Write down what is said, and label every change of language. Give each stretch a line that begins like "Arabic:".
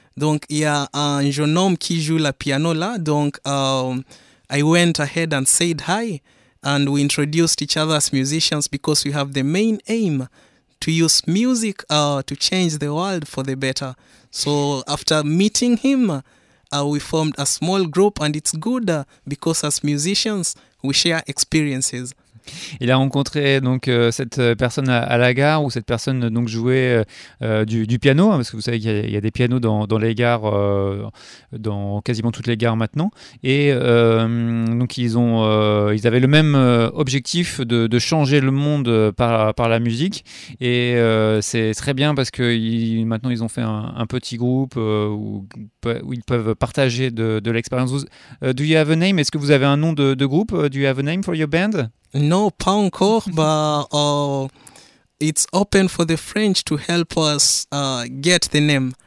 French: Donc il y a un jeune homme qui joue le piano là, donc
English: I went ahead and said hi, and we introduced each other as musicians because we have the main aim to use music to change the world for the better. So after meeting him, we formed a small group, and it's good because as musicians, we share experiences.
French: Il a rencontré donc cette personne à la gare où cette personne donc jouait du piano, hein, parce que vous savez qu'il y a des pianos dans les gares, dans quasiment toutes les gares maintenant, et donc ils avaient le même objectif de changer le monde par la musique, et c'est très bien parce que maintenant ils ont fait un petit groupe où ils peuvent partager de l'expérience.
English: Do you have a name?
French: Est-ce que vous avez un nom de groupe?
English: Do you have a name for your band? No,
French: pas encore,
English: but it's open for the French to help us get the name.